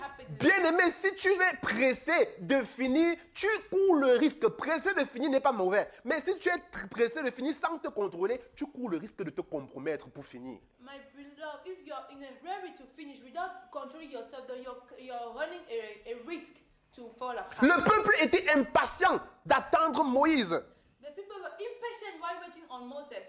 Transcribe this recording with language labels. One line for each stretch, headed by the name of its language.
French: Bien-aimé, si tu es pressé de finir, tu cours le risque. Pressé de finir n'est pas mauvais. Mais si tu es pressé de finir sans te contrôler, tu cours le risque de te compromettre pour finir.
English: My beloved, if you are in a hurry to finish without controlling yourself, then you're running a risk to fall apart.
French: Le peuple était impatient d'attendre Moïse.
English: The people were impatient while waiting on Moses.